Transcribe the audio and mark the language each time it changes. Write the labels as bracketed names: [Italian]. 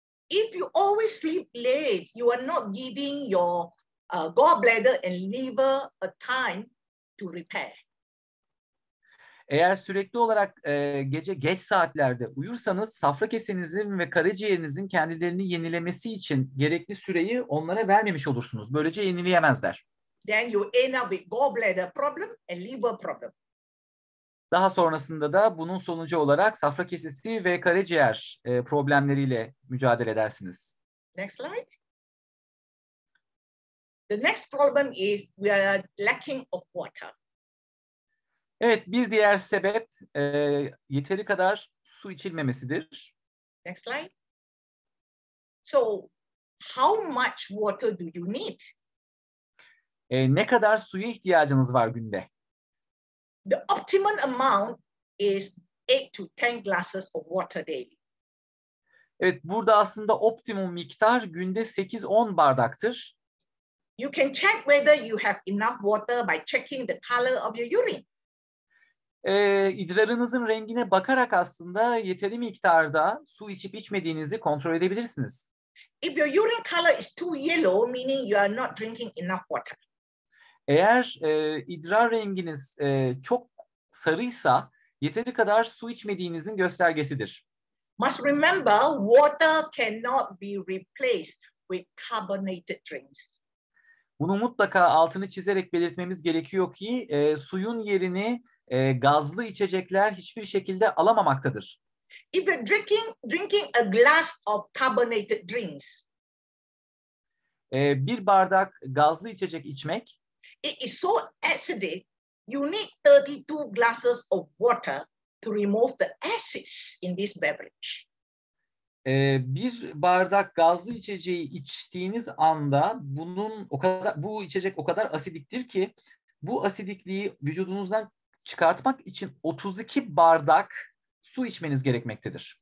[English] If you always sleep late, you are not giving your gallbladder and liver a time to repair. [Turkish] Eğer sürekli olarak gece geç saatlerde uyursanız safra kesenizin ve karaciğerinizin kendilerini yenilemesi için gerekli süreyi onlara vermemiş olursunuz. Böylece yenileyemezler. [English] Then you end up with gallbladder problem and liver problem. [Turkish] Daha sonrasında da bunun sonucu olarak safra kesesi ve karaciğer problemleriyle mücadele edersiniz. [English] Next slide. The next problem is we are lacking of water. [Turkish] Evet, bir diğer sebep yeteri kadar su içilmemesidir. [English] Next slide. So, how much water do you need? [Turkish] Ne kadar suya ihtiyacınız var günde? [English] The optimum amount is 8 to 10 glasses of water daily. [Turkish] Evet, burada aslında optimum miktar günde 8-10 bardaktır. [English] You can check whether you have enough water by checking the color of your urine. [Turkish] İdrarınızın rengine bakarak aslında yeteri miktarda su içip içmediğinizi kontrol edebilirsiniz. [English] If your urine color is too yellow, meaning you are not drinking enough water. [Turkish] Eğer idrar renginiz çok sarıysa yeteri kadar su içmediğinizin göstergesidir. [English] Must remember water cannot be replaced with carbonated drinks. [Turkish] Bunu mutlaka altını çizerek belirtmemiz gerekiyor ki suyun yerini gazlı içecekler hiçbir şekilde alamamaktadır. [English] If you're drinking a glass of carbonated drinks. [Turkish] Bir bardak gazlı içecek içmek. [English] It is so acidic, you need 32 glasses of water to remove the acids in this beverage. [Turkish] Bir bardak gazlı içeceği içtiğiniz anda bunun o kadar bu içecek o kadar asidiktir ki bu asidikliği vücudunuzdan çıkartmak için 32 bardak su içmeniz gerekmektedir.